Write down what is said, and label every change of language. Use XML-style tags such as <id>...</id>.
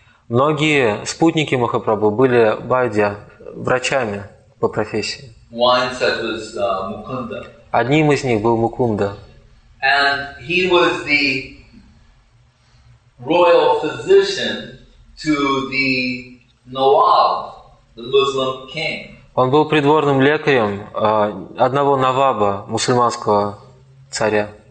<ru>Многие спутники Махапрабху были вайдья, врачами по профессии.</ru> <en>One such was Mukunda.</en> <ru>Одним из них был Мукунда.</ru> <en>And he was the royal physician to the Nawab, the Muslim king.</en> <ru>Он был придворным лекарем одного наваба, мусульманского царя.</ru>